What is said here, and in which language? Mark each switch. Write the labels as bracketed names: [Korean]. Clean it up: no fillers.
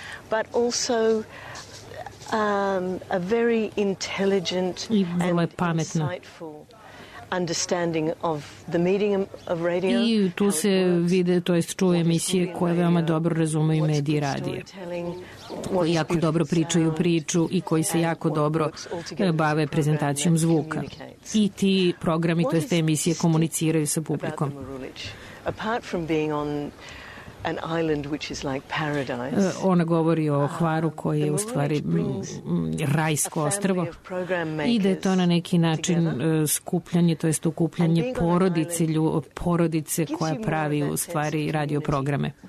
[English] but also a very intelligent and insightful understanding of the medium of radio. [Serbian] I tu se vide, to jest čuje emisije koje veoma dobro razumeju medije radije, koji jako dobro pričaju priču i koji se jako dobro bave prezentacijom zvuka. I ti programi, to jest te emisije, komuniciraju sa publikom. [English] Apart from being on an island which is like paradise. [Serbian] Ona govori o Hvaru koji je u stvari rajsko ostrvo. Ide to na neki način skupljanje, to jest okupljanje porodice, porodice koja pravi u stvari radio programe.